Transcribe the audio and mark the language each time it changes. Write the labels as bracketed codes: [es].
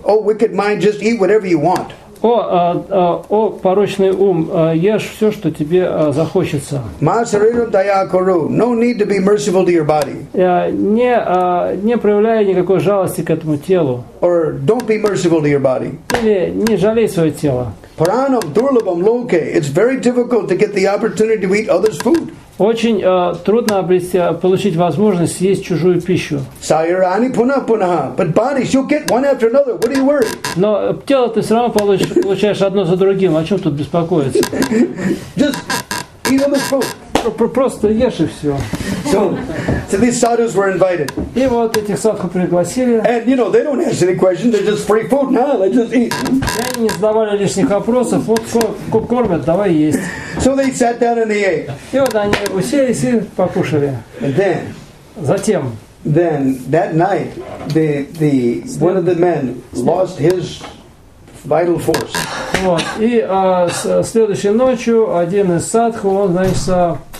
[en] Oh, wicked mind, just eat whatever you want. [ru] О, порочный ум, ешь все, что тебе захочется. [en] No need to be merciful to your body. [ru] Не проявляй никакой жалости к этому телу. [en] Or don't be merciful to your body. [ru] Или не жалей свое тело. [sa] Pranam durlabham loke. [en] It's very difficult to get the opportunity to eat others' food. [ru] Очень трудно обрести, получить возможность съесть чужую пищу. [sa] Sayurani puna punaha, [en] but bodies you get one after another. What are you worried? [ru] Но тело ты все равно получаешь одно за другим. О чем тут беспокоиться? [en] Just eat them as food. [ru] Просто ешь и все. [en] So these sadhus were invited. [ru] И вот этих садху пригласили. [en] And you know they don't ask any questions. They're just free food now. They just eat. [ru] И они не задавали лишних вопросов. Вот кормят, давай есть. [en] So they sat down and they ate. [ru] И вот они уселись и покушали. [en] And then. [ru] Затем. [en] Then that night, the one of the men lost his vital force. [ru] Вот. И следующей ночью один из садху, он, значит,